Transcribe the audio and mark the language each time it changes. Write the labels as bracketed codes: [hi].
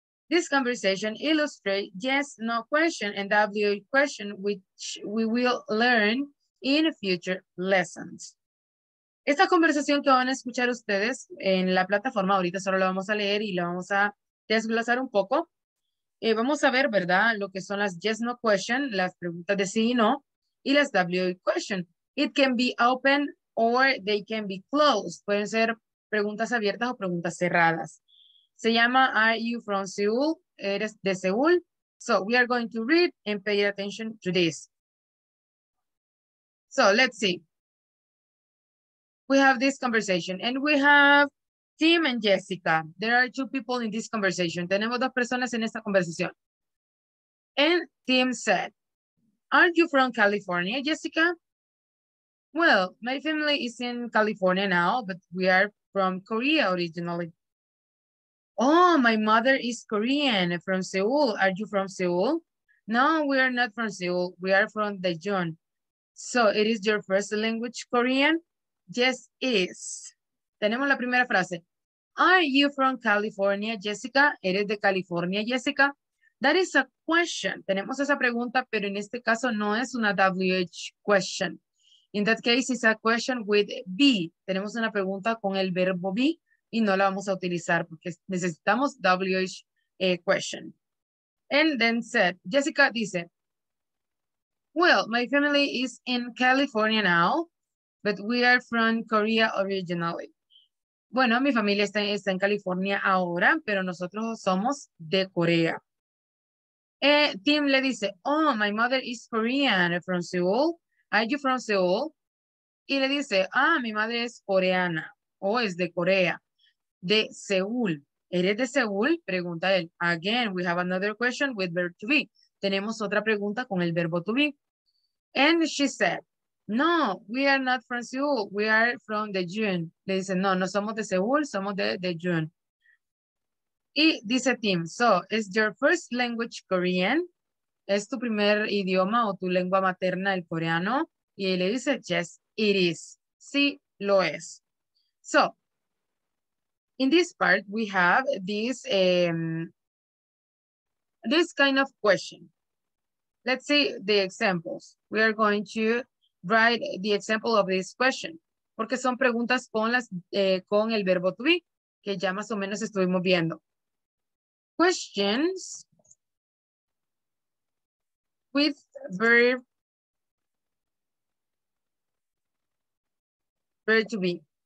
[en] This conversation illustrates yes, no question and WH question, which we will learn in future lessons. [es] Esta conversación que van a escuchar ustedes en la plataforma, ahorita solo la vamos a leer y la vamos a desglosar un poco. Vamos a ver, ¿verdad? Lo que son las yes, no question, las preguntas de sí y no, y las WH question. [en] It can be open or they can be closed. [es] Pueden ser preguntas abiertas o preguntas cerradas. Se llama, are you from Seoul? [en] ¿Eres de Seúl? So we are going to read and pay attention to this. So let's see. We have this conversation and we have Tim and Jessica. There are two people in this conversation. Tenemos dos personas en esta conversación. And Tim said, are you from California, Jessica? Well, my family is in California now, but we are from Korea originally. Oh, my mother is Korean from Seoul. Are you from Seoul? No, we are not from Seoul. We are from Daejeon. So, it is your first language, Korean? Yes, it is. Tenemos la primera frase. Are you from California, Jessica? [es] ¿Eres de California, Jessica? That is a question. Tenemos esa pregunta, pero en este caso no es una WH question. [en] In that case, it's a question with be. [es] Tenemos una pregunta con el verbo be y no la vamos a utilizar porque necesitamos WH question. [en] And then said, Jessica dice, well, my family is in California now, but we are from Korea originally. [es] Bueno, mi familia está en California ahora, pero nosotros somos de Corea. [en] Tim le dice, oh, my mother is Korean from Seoul. [es] Are you from Seoul? Y le dice, ah, mi madre es coreana o es de Corea, de Seúl. ¿Eres de Seúl? Pregunta él. [en] Again, we have another question with verb to be. [es] Tenemos otra pregunta con el verbo to be. [en] And she said, no, we are not from Seoul. [es] We are from the June. Le dice, no, no somos de Seúl, somos de June. [en] Y dice Tim, so, is your first language Korean? [es] ¿Es tu primer idioma o tu lengua materna el coreano? Y él le dice, yes, it is. Sí, lo es. [en] So, in this part, we have this, this kind of question. Let's see the examples. We are going to write the example of this question. [es] Porque son preguntas con, las, con el verbo to be, que ya más o menos estuvimos viendo. [en] Questions with verb to be.